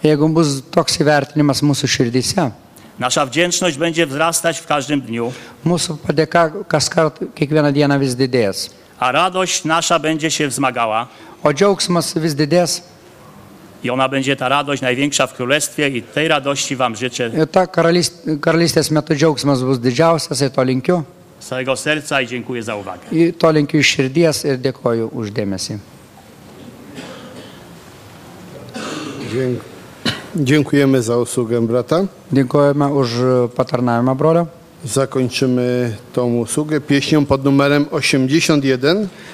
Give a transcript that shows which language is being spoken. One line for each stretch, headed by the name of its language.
Lithuanian: jeigu bus toks įvertinimas mūsų širdyse,
Polish: nasza wdzięczność będzie wzrastać w każdym dniu.
Lithuanian: Mūsų padėka kaskart kiekvieną dieną vis didės.
Polish: A radość nasza będzie się wzmagała.
Lithuanian: O džiaugsmas vis didės.
Polish: I ona będzie ta radość największa w królestwie i tej radości wam życzę.
Lithuanian: Ta karalystės metu džiaugsmas bus didžiausias ir to linkiu.
Polish: Savo serca i dziękuję za uwagę.
Lithuanian: I to linkiu iš širdies ir dėkoju už dėmesį.
Polish: Dziękujemy za usługę brata. Dziękujemy
Lithuanian: už patarnavimą brolio.
Polish: Zakończymy tą usługę pieśnią pod numerem 81.